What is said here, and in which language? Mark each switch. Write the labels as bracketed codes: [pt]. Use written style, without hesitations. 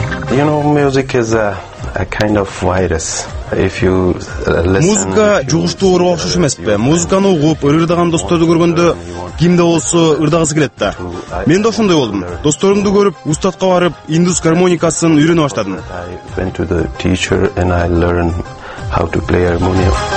[en] You know, music is a kind of virus. If you listen, [ky] музыка жугуштуу ооруга окшош эмеспи? Музыканы угуп, ырдаган досторду көргөндө кимде болсо ырдагысы келет да. Мен да ошондой болдум. Досторумду көрүп, устатка барып, индус гармоникасын үйрөнө баштадым. [en] I went to the teacher and I learned how to play harmonium.